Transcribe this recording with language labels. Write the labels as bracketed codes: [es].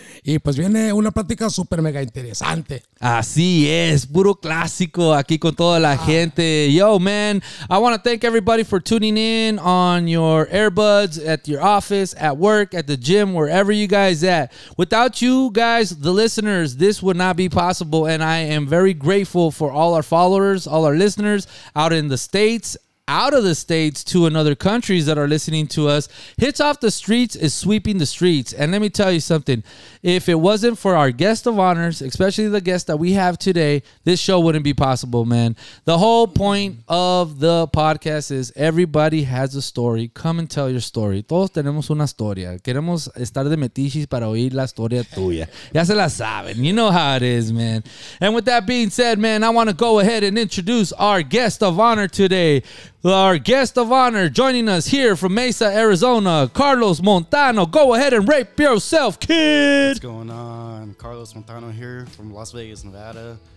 [es] Y pues viene una plática super mega interesante. Así es, puro clásico aquí con toda la gente. [en] Yo, man, I want to thank everybody for tuning in on your earbuds, at your office, at work, at the gym, wherever you guys at. Without you guys, the listeners, this would not be possible, and I am very grateful for all our followers, all our listeners out in the States, out of the States, to another countries that are listening to us. Hits Off the Streets is sweeping the streets. And let me tell you something, if it wasn't for our guest of honors, especially the guest that we have today, this show wouldn't be possible, man. The whole point of the podcast is everybody has a story. Come and tell your story. [es] Todos tenemos una historia. Queremos estar de metichis para oír la historia tuya. Ya se la saben. [en] You know how it is, man. And with that being said, man, I want to go ahead and introduce our guest of honor today. Our guest of honor joining us here from Mesa, Arizona, Carlos Montano. Go ahead and rape yourself, kid. What's going on? Carlos Montano here from Las Vegas, Nevada.